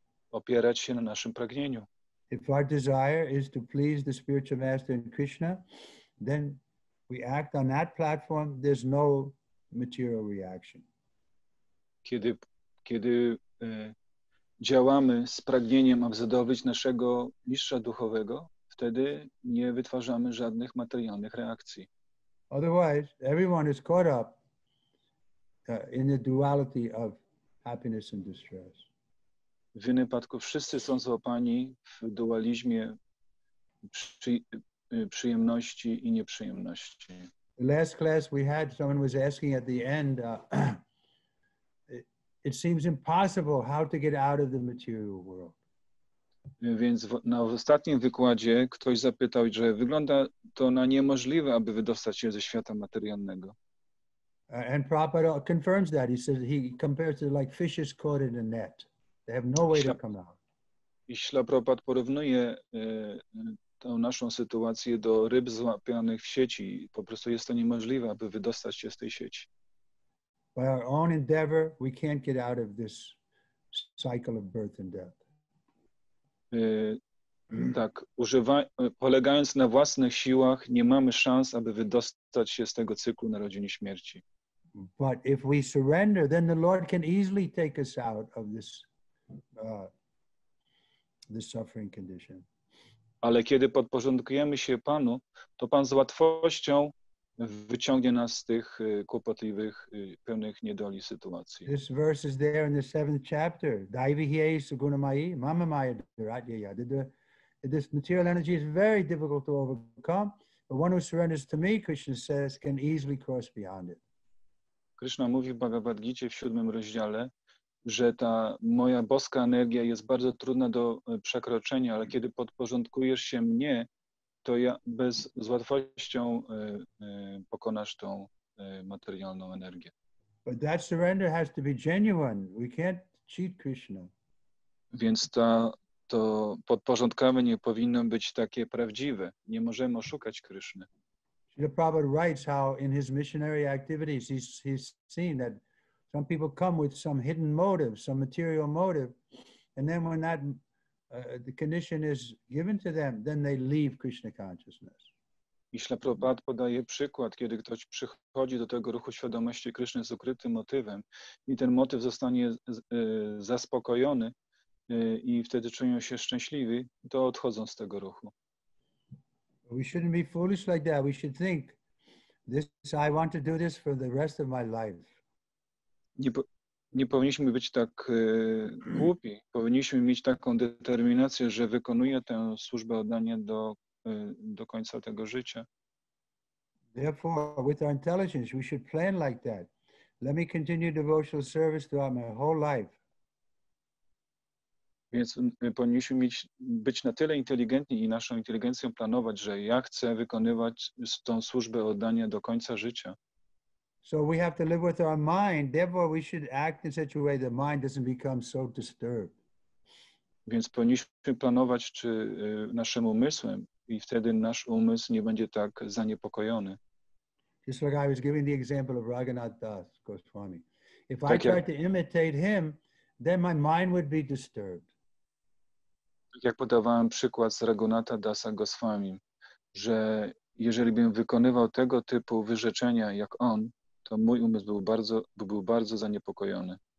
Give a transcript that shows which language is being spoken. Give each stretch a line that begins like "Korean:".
Polish: Opierać się na naszym pragnieniu.
English: If our desire is to please the spiritual master and Krishna, then we act on that platform, there's no material reaction.
Polish: Kiedy działamy z pragnieniem, aby zadowolić naszego mistrza duchowego, wtedy nie wytwarzamy żadnych materialnych reakcji.
English: Otherwise, everyone is caught up in the duality of happiness and distress.
Polish: W innym wypadku wszyscy są złapani w dualizmie przyjemności i nieprzyjemności.
English: The last class we had, someone was asking at the end, it seems impossible how to get out of the material world.
Polish: Więc na ostatnim wykładzie ktoś zapytał, że wygląda to na niemożliwe, aby wydostać się ze świata materialnego.
English: And Prabhupada confirms that. He says he compares it like fishes caught in a net. They have no way to come out.
Polish: I Śla Prabhupada porównuje tę naszą sytuację do ryb złapianych w sieci. Po prostu jest to niemożliwe, aby wydostać się z tej sieci.
English: By our own endeavor, we can't get out of this cycle of birth and death.
Polish: Tak, polegając na własnych siłach, nie mamy szans, aby wydostać się z tego cyklu narodzin i śmierci.
English: But if we surrender, then the Lord can easily take us out of this this suffering condition.
Polish: Ale kiedy podporządkujemy się Panu, to Pan z łatwością wyciągnie nas z tych kłopotliwych, pełnych niedoli sytuacji.
English: This verse is there in the 7th chapter.
Sanskrit: Daivihiyei sugunamayi mamamaya dharadyaya.
English: This material energy is very difficult to overcome. But one who surrenders to me, Krishna says, can easily cross beyond it.
Polish: Krishna mówi w Bhagavad Gita w 7 rozdziale, że ta moja boska energia jest bardzo trudna do przekroczenia, ale kiedy podporządkujesz się mnie, to ja z łatwością pokonasz tą materialną energię.
English: But that surrender has to be genuine. We can't cheat Krishna.
Polish: Więc to podporządkowanie powinno być takie prawdziwe. Nie możemy oszukać Kryszny.
English: Srila Prabhupada writes how in his missionary activities he's seen that some people come with some hidden motive, some material motive, and then when that the condition is given to them, then they leave Krishna consciousness.
Polish: I Śla Prabhupada podaje przykład, kiedy ktoś przychodzi do tego ruchu świadomości Kryszny z ukrytym motywem i ten motyw zostanie zaspokojony i wtedy czują się szczęśliwi, to odchodzą z tego ruchu.
English: We shouldn't be foolish like that. We should think, this, I want to do this for the rest of my life.
Polish: Nie powinniśmy być tak głupi. Powinniśmy mieć taką determinację, że wykonuję tę służbę oddania do końca tego życia.
English: Therefore, with our intelligence, we should plan like that. Let me continue devotional service throughout my whole life.
Polish: Więc powinniśmy być na tyle inteligentni i naszą inteligencją planować, że ja chcę wykonywać tą służbę oddania do końca życia.
English: So we have to live with our mind, therefore we should act in such a way that mind doesn't become so disturbed.
Polish: Więc powinniśmy planować czy naszym umysłem i wtedy nasz umysł nie będzie tak zaniepokojony.
English: Just like I was giving the example of Raghunath Das Goswami. If I tried to imitate him, then my mind would be disturbed.
Polish: Tak jak podawałem przykład z Raghunatha Dasa Goswami, że jeżeli bym wykonywał tego typu wyrzeczenia jak on, to mój umysł był bardzo zaniepokojony.